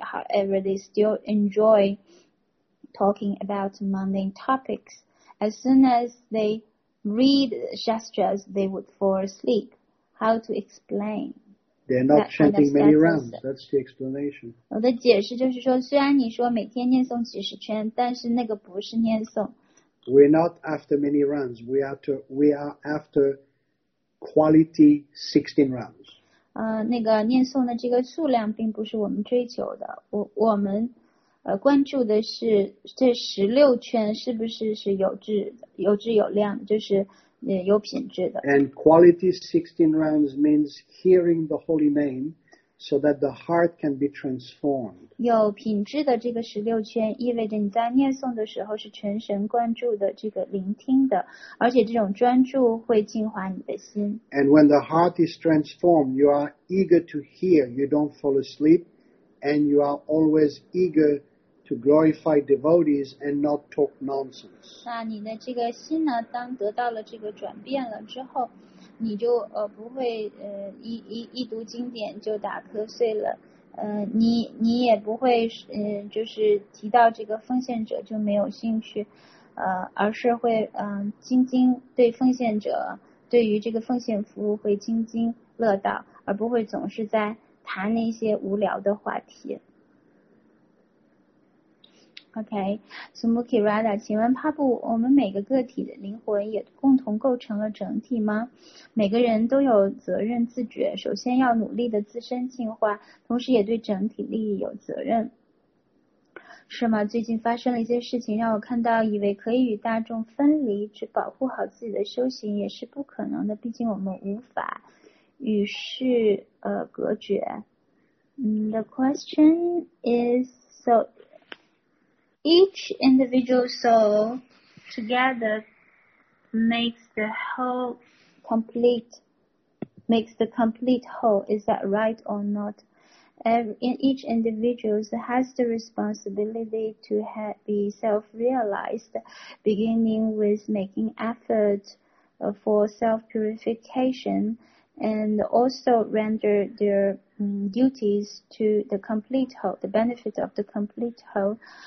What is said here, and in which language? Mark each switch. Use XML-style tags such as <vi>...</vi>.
<en>However, they still enjoy talking about mundane topics. As soon as they read shastras, they would fall asleep. How to explain? They're not chanting many rounds. That's the explanation.</en> <zh>我的解释就是说，虽然你说每天念诵几十圈，但是那个不是念诵。</zh> <en>We're not after many rounds. We are after quality 16 rounds.</en> <zh>那个念诵的这个数量并不是我们追求的。我们关注的是这十六圈是不是是有质有量，就是。有品质的。</zh> <en>And quality 16 rounds means hearing the holy name so that the heart can be transformed.</en> <zh>有品质的这个十六圈意味着你在念诵的时候是全神贯注的这个聆听的，而且这种专注会净化你的心。</zh> <en>And when the heart is transformed, you are eager to hear, you don't fall asleep, and you are always eager to glorify devotees and not talk nonsense.</en> <zh>那你的这个心呢，当得到了这个转变了之后，你就不会一读经典就打瞌睡了，你也不会就是提到这个奉献者就没有兴趣，而是会津津对奉献者，对于这个奉献服务会津津乐道，而不会总是在谈那些无聊的话题。 OK, Sumukhi Radha, 请问帕布，我们每个个体的灵魂也共同构成了整体吗？每个人都有责任自觉，首先要努力的自身进化，同时也对整体利益有责任。是吗？最近发生了一些事情，让我看到以为可以与大众分离，只保护好自己的修行也是不可能的，毕竟我们无法与世隔绝。</zh> <en>The question is, so,Each individual soul together makes the whole complete, makes the complete whole. Is that right or not? Each individual has the responsibility to be self-realized, beginning with making effort for self-purification and also render their duties to the complete whole, the benefit of the complete whole.</en>